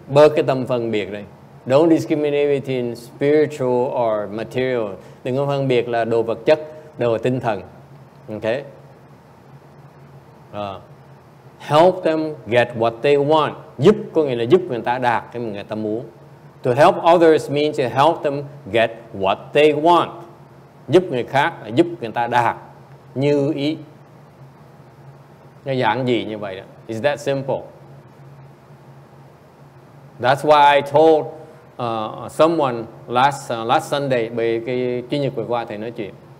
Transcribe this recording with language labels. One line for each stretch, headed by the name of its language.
Vietnamese: Bớt cái tâm phân biệt này.
English: Don't discriminate between spiritual or material.
Vietnamese: Đừng có phân biệt là đồ vật chất, đồ tinh thần. Okay.
English: Help them get what they want.
Vietnamese: Giúp có nghĩa là giúp người ta đạt cái mà người ta muốn.
English: To help others means to help them get what they want.
Vietnamese: Giúp người khác là giúp người ta đạt như ý. Nó giản dị như vậy đó.
English: Is that simple? That's why I told someone last Sunday,
Vietnamese: bởi cái chủ nhật vừa qua thầy nói chuyện.